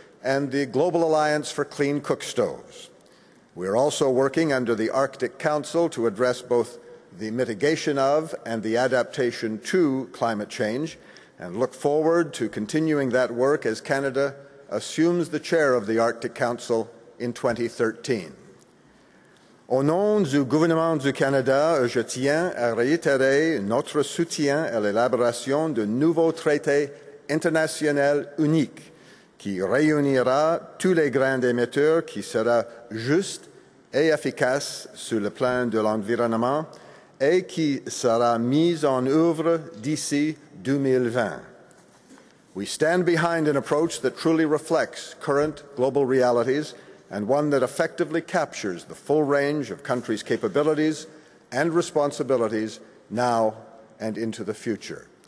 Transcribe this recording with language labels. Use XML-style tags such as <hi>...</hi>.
<en>and the Global Alliance for Clean Cook Stoves. We are also working under the Arctic Council to address both the mitigation of and the adaptation to climate change, and look forward to continuing that work as Canada assumes the chair of the Arctic Council in 2013.</en> <fr>Au nom du gouvernement du Canada, je tiens à réitérer notre soutien à l'élaboration de nouveau traité international unique qui réunira tous les grands émetteurs, qui sera juste et efficace sur le plan de l'environnement et qui sera mise en œuvre d'ici 2020.</fr> <en>We stand behind an approach that truly reflects current global realities and one that effectively captures the full range of countries' capabilities and responsibilities now and into the future.</en>